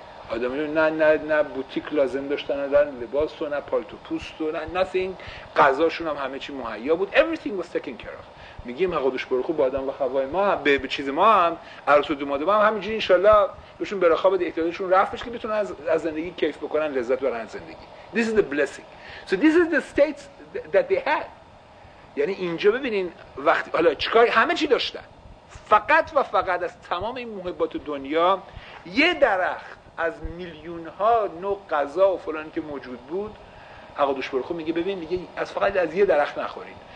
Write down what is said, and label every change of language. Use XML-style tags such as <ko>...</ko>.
<fa>آدم اینو نه بوتیک لازم داشتن، نه لباس و نه پالتو پوست و نه نثینگ، غذاشون هم همه چی مهیا بود،</fa> <en>everything was taken care of.</en> <fa>میگیم عقلش بر خود با آدم و حوای ما هم به چیز ما هم عروس و دوماد ما هم همینجوری انشالله بهشون برخواه بده، احتیاجشون رفع بشه که بتونن از زندگی کیف بکنن، لذت برن زندگی.</fa> <en>This is the blessing. So this is the state that they had.</en> <fa>یعنی اینجا ببینین وقتی حالا چیکار، همه چی داشتن، فقط و فقط از تمام این محبات دنیا یه درخت از میلیون ها نوع غذا و فلان که موجود بود، عقادوش برخو میگه ببین، میگه از فقط از یه درخت نخورید.</fa>